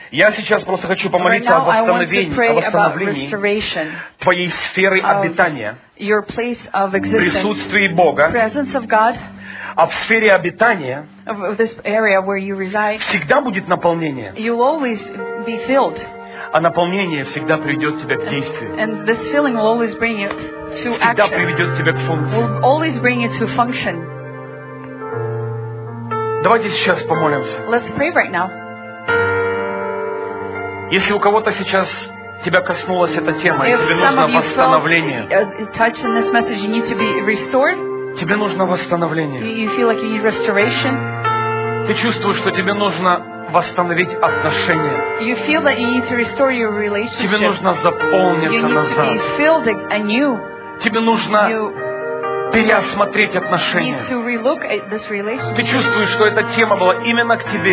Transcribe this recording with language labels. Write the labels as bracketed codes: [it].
[ru] Я сейчас просто хочу помолиться о восстановлении твоей сферы обитания, присутствии Бога, а в сфере обитания всегда будет наполнение. А наполнение всегда приведет тебя к действию. [en] And this feeling will always bring you to action. [ru] Всегда приведет тебя к функции. [en] Will always bring you to function. [ru] Давайте сейчас помолимся. [en] Let's pray right now. [ru] Если у кого-то сейчас тебя коснулась эта тема, [en] if [ru] тебе нужно восстановление. [en] Touch in this message, you need to be restored. [ru] Тебе нужно восстановление. [en] You feel like you need restoration. [ru] Ты чувствуешь, что тебе нужно восстановить отношения. [en] You feel that you need to restore your relationship. [ru] Тебе нужно заполниться назад. [en] You need [ru] назад. [en] To be filled anew. [ru] Тебе нужно переосмотреть отношения. [en] You need to relook at this relationship. [ru] Ты чувствуешь, что эта тема была именно к тебе.